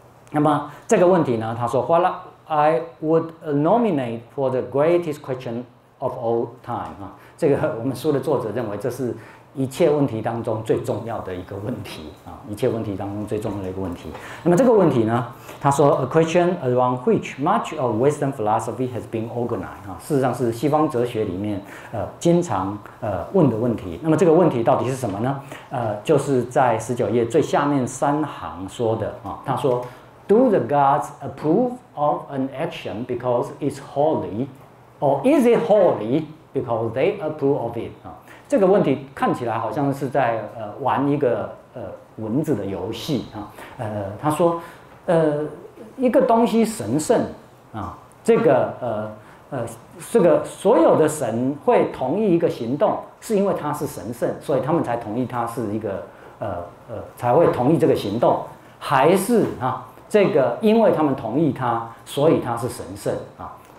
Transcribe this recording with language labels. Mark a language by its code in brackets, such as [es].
[zh] 那么这个问题呢，他说 ， [en] What I would nominate for the greatest question of all time [zh] 啊，这个我们书的作者认为这是一切问题当中最重要的一个问题啊，一切问题当中最重要的一个问题。那么这个问题呢，他说 ， [en] a question around which much of Western philosophy has been organized [zh] 啊，事实上是西方哲学里面经常问的问题。那么这个问题到底是什么呢？就是在十九页最下面三行说的啊，他说 ， [en] Do the gods approve of an action because it's holy, or is it holy because they approve of it [zh] 啊？这个问题看起来好像是在玩一个蚊子的游戏啊，他说一个东西神圣啊，这个所有的神会同意一个行动，是因为它是神圣，所以他们才同意它是一个才会同意这个行动，还是啊这个因为他们同意它，所以它是神圣啊？